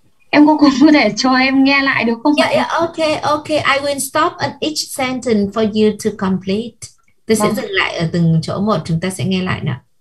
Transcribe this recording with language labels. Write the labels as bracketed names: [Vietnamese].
[Vietnamese] Em có thể cho em nghe lại được không? [English] Yeah, okay. I will stop at each sentence for you to complete. [Vietnamese] Tôi sẽ dừng lại ở từng chỗ một, chúng ta sẽ nghe lại nào.